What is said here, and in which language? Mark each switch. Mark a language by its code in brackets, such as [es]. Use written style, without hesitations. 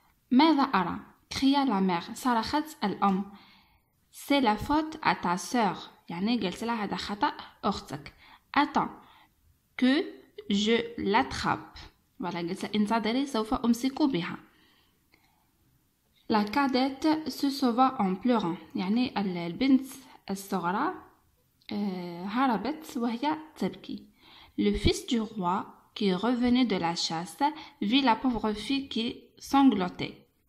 [ar] ماذا أرى؟ [fr] cria la mère. [ar] صرخت الأم. [fr] C'est la faute à ta sœur. [ar] يعني قالت لها هذا خطأ أختك. [fr] Attends que je l'attrape. [ar] Voilà, قالت لها انتظري سوف أمسك بها. [fr] La cadette se sauva en pleurant. [ar] يعني البنت الصغرى هربت وهي تبكي. [fr] Le fils du roi qui revenait de la chasse vit la pauvre fille qui sanglotait.